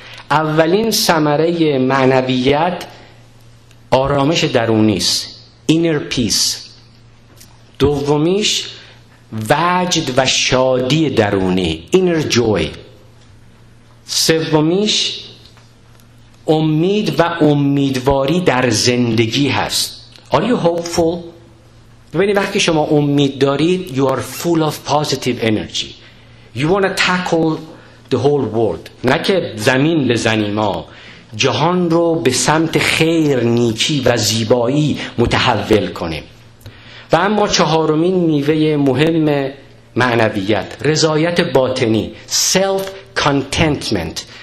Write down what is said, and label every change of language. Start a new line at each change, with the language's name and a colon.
Persian: اولین ثمره معنویت آرامش درونی است،
English: inner peace.
Persian: دومیش وجد و شادی درونی،
English: inner joy.
Persian: سومیش امید و امیدواری در زندگی هست.
English: Are you hopeful?
Persian: ببینید وقتی شما امید دارید،
English: you are full of positive energy. You want to tackle the whole world.
Persian: نه که زمین بزنیم، ما جهان رو به سمت خیر، نیکی و زیبایی متحول کنیم. و اما چهارمین میوه مهم معنویت، رضایت باطنی، self
English: contentment.